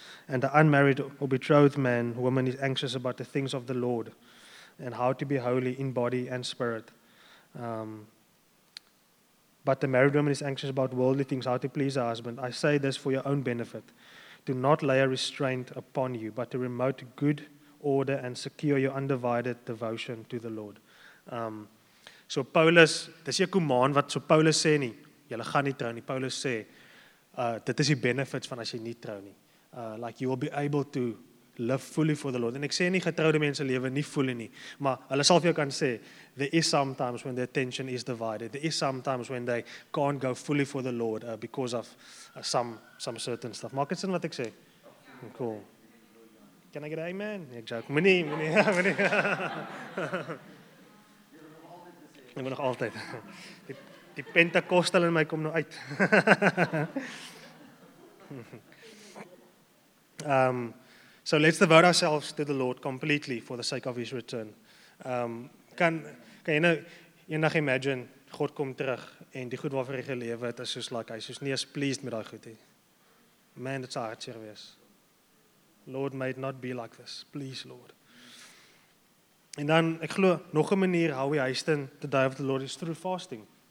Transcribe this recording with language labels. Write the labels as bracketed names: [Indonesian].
[English] And the unmarried or betrothed man, woman, is anxious about the things of the Lord and how to be holy in body and spirit. But the married woman is anxious about worldly things, how to please her husband. I say this for your own benefit. Do not lay a restraint upon you, but to promote good order and secure your undivided devotion to the Lord. [Afrikaans] So Paulus, dis 'n command wat so Paulus sê nie, julle gaan nie trou nie. Paulus sê, dit is die benefits van as jy nie trou nie. [English] Like you will be able to live fully for the Lord. [Afrikaans] En ek sê nie getroude mense lewe nie fully nie, maar hulle sal vir jou kan sê, [English] there is sometimes when the attention is divided. There is sometimes when they can't go fully for the Lord because of some certain stuff. [Afrikaans] Maak dit sin wat ek sê? Cool. [English] Can I get an amen? [Afrikaans] Ek joke. Moenie. Ek moet nog altyd. Die Pentecostal in my kom nou uit. [English] So let's devote ourselves to the Lord completely for the sake of his return. [Afrikaans] Kan jy nou eendag imagine, God kom terug en die goed waarvoor hy gelewe het, is soos like, hy's soos nie as pleased met daai goed nie. Man, dit sal hartseer wees. [English] Lord, may it not be like this. Please, Lord. [Afrikaans] En dan, ek glo, nog 'n manier [English] how we hasten the day of the Lord [Afrikaans] is through fasting.